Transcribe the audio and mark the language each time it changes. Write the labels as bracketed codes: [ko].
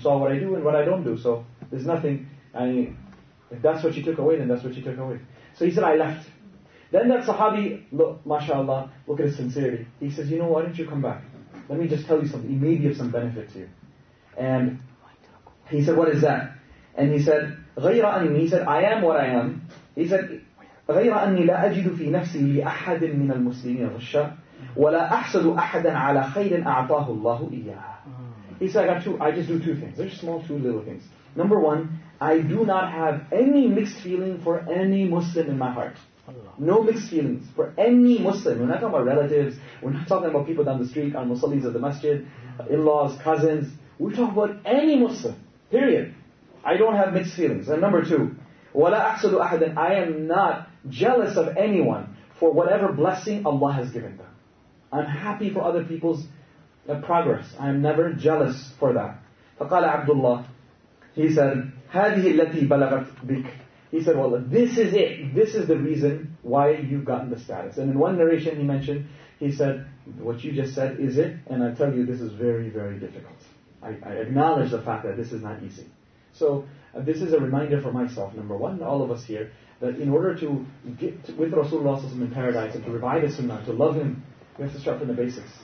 [en] You saw what I do and what I don't do. So there's nothing. I mean, if that's what you took away, then that's what you took away. So he said, I left. Then that sahabi, look, mashallah, look at his sincerity. He says, you know, why don't you come back? Let me just tell you something. It may be of some benefit to you. And he said, what is that? And he said, غير أني. He said, I am what I am. [ar] He said, غير أني لا أجد في نفسي لأحد من المسلمين غشا ولا أحسد أحدا على خير أعطاه الله إياه. [en] He said, I just do two things. They're small, two little things. Number one, I do not have any mixed feeling for any Muslim in my heart. No mixed feelings for any Muslim. We're not talking about relatives. We're not talking about people down the street, our musallis of the masjid, in-laws, cousins. We're talking about any Muslim. Period. I don't have mixed feelings. And number two, وَلَا أَحْسَدُ أَحَدًا. I am not jealous of anyone for whatever blessing Allah has given them. I'm happy for other people's progress. I am never jealous for that. [ar] فَقَالَ عَبْدُ اللَّهِ. He said, هَذِهِ الَّتِي بَلَغَتْ بِكْ. [en] He said, well, this is it. This is the reason why you've gotten the status. And in one narration he mentioned, he said, what you just said is it. And I tell you, this is very, very difficult. I acknowledge the fact that this is not easy. So this is a reminder for myself, number one, all of us here, that in order to get with Rasulullah in paradise and to revive his sunnah, to love him, we have to start from the basics.